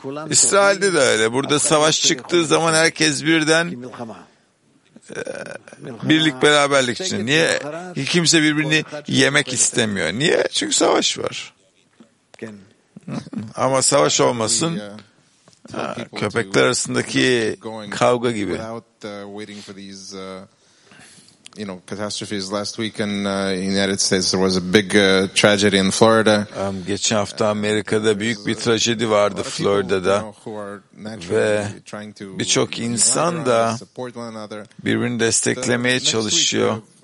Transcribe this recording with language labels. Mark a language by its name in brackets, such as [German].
[Turkish] İsrail'de de öyle. Burada savaş çıktığı zaman herkes birden birlik beraberlik için. Niye? Kimse birbirini yemek istemiyor. Niye? Çünkü savaş var. Ama savaş olmasın. Köpekler arasındaki kavga gibi. [English] You know, catastrophes last week in the United States. There was a big tragedy in Florida. [Turkish] Geçen hafta Amerika'da büyük bir trajedi vardı Florida'da. Ve birçok insan da birbirini desteklemeye çalışıyor.